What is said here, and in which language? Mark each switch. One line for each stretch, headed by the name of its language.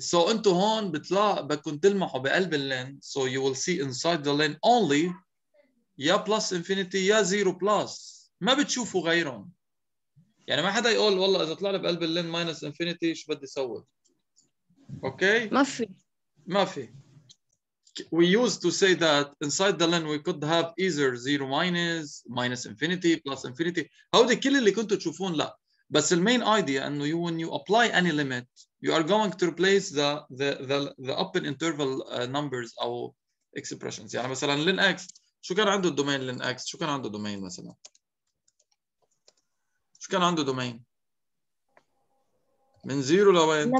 Arabic: So انتو هون بكون تلمحوا بقلب اللين.
English: So you will see inside the lane only يا plus infinity يا zero plus.
Arabic: ما بتشوفوا غيرهم. يعني ما حدا يقول والله إذا طلع بقلب اللين minus infinity شو بدي أسوي؟ Okay. ما في.
English: We used to say that inside the line we could have either zero minus, minus infinity, plus infinity.
Arabic: How the كل اللي كنتوا تشوفون لا.
English: But the main idea and when you apply any limit, you are going to replace the open interval numbers or expressions.
Arabic: يعني مثلا لين x شو كان عنده الدومين لين x شو كان عنده دومين مثلا شو كان عنده دومين من 0 لوين؟